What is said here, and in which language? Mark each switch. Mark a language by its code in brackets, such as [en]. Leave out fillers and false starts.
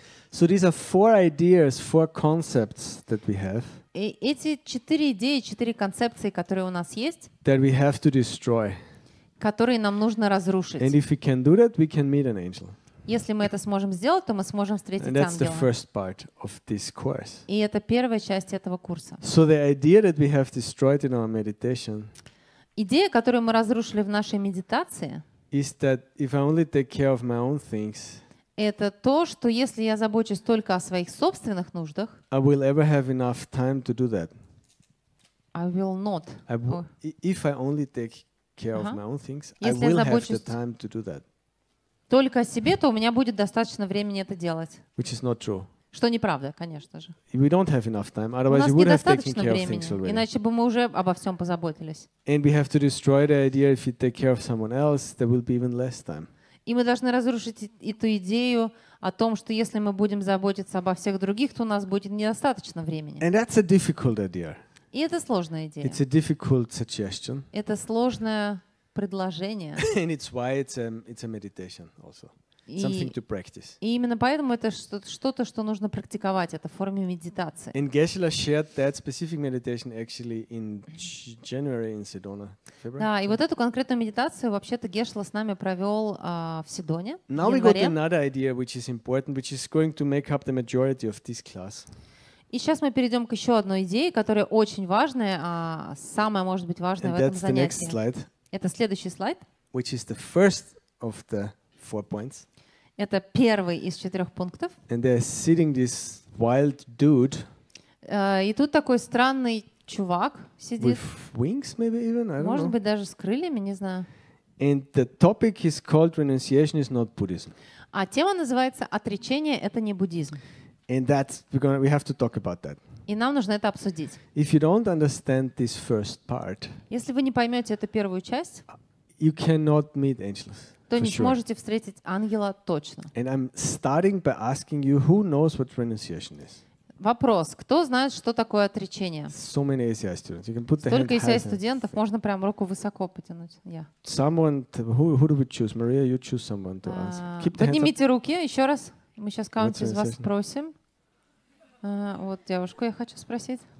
[en] So these are four ideas, four concepts that we have. [ru] И эти четыре идеи, четыре концепции, которые у нас есть. [en] That we have to destroy. [ru] Которые нам нужно разрушить. [en] And if we can do that, we can meet an angel. [ru] Если мы это сможем сделать, то мы сможем встретить ангела. [en] And that's the first part of this course. [ru] И это первая часть этого курса. [en] So the idea that we have destroyed in our meditation. [ru] Идея, которую мы разрушили в нашей медитации. [en] Is that if I only take care of my own things. [ru] Это то, что если я забочусь только о своих собственных нуждах. [en] I will ever have enough time to do that. I will not. If I only take care of my own things, I will have the time to do that. [ru] Только о себе, то у меня будет достаточно времени это делать. [en] Which is not true. [ru] Что неправда, конечно же. [en] We don't have enough time. Otherwise, we would have taken care of things already. [ru] Иначе бы мы уже обо всем позаботились. [en] And we have to destroy the idea if you take care of someone else, there will be even less time. [ru] И мы должны разрушить эту идею о том, что если мы будем заботиться обо всех других, то у нас будет недостаточно времени. [en] And that's a difficult idea. [ru] И это сложная идея. [en] It's a difficult suggestion. [ru] Это сложное предложение. [en] And it's why it's a meditation also. Something to practice. [ru] И именно поэтому это что-то, что нужно практиковать, это форма медитации. [en] And Geshe-la shared that specific meditation actually in January in Sedona, February. [ru] Да, и вот эту конкретную медитацию вообще-то Geshe-la с нами провел в Седоне. [en] Now we got another idea, which is important, which is going to make up the majority of this class. [ru] И сейчас мы перейдем к еще одной идее, которая очень важная, самая, может быть, важная в этом занятии. [en] And that's the next slide. [ru] Это следующий слайд. [en] Which is the first of the four points. [ru] Это первый из четырех пунктов. [en] And they're sitting this wild dude. [ru] И тут такой странный чувак сидит. [en] With wings, maybe even. I don't [ru] Может [en] know. [ru] Быть даже с крыльями, не знаю. [en] And the topic is called renunciation is not Buddhism. [ru] А тема называется отречение это не буддизм. [en] And that's we have to talk about that. [ru] И нам нужно это обсудить. [en] If you don't understand this first part. [ru] Если вы не поймете эту первую часть. [en] You cannot meet angels. [ru] То не сможете встретить ангела точно. [en] And I'm starting by asking you, who knows what renunciation is? [ru] Вопрос: кто знает, что такое отречение? [en] So many ACI students. You can put the hand. [ru] Столько ACI студентов, можно прям руку высоко потянуть. Я. [en] Someone, who do we choose? Maria, you choose someone to answer. Keep the [ru] Поднимите руки еще раз. Мы сейчас кого-нибудь из вас спросим. Вот девушку я хочу спросить.